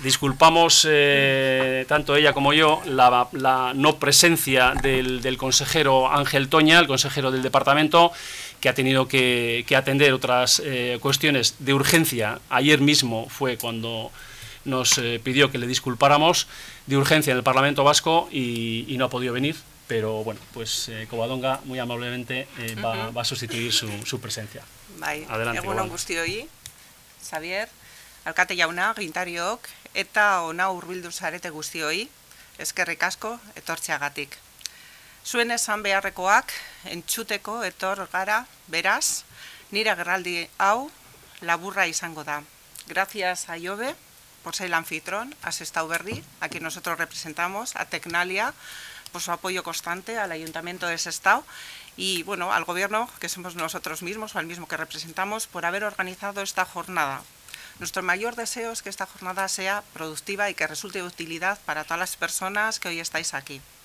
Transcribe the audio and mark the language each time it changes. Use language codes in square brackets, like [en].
[es] Disculpamos tanto ella como yo la no presencia del consejero Ángel Toña, el consejero del departamento, que ha tenido que atender otras cuestiones de urgencia. Ayer mismo fue cuando nos pidió que le disculpáramos de urgencia en el Parlamento Vasco y no ha podido venir, pero bueno, pues Covadonga muy amablemente va a sustituir su presencia. Bai, adelante. [eu] Egun on guztioi, Xavier, alkate jauna, gintariok, eta ona hurbildu zarete guztioi, eskerrik asko etortzeagatik. Zuen esan beharrekoak entzuteko etor gara, beraz, nire agerraldi hau laburra izango da. [es] Gracias a Iove por ser el anfitrón, a Sestao Berri, a quien nosotros representamos, a Tecnalia, por su apoyo constante al Ayuntamiento de Sestao y, bueno, al Gobierno, que somos nosotros mismos o al mismo que representamos, por haber organizado esta jornada. Nuestro mayor deseo es que esta jornada sea productiva y que resulte de utilidad para todas las personas que hoy estáis aquí.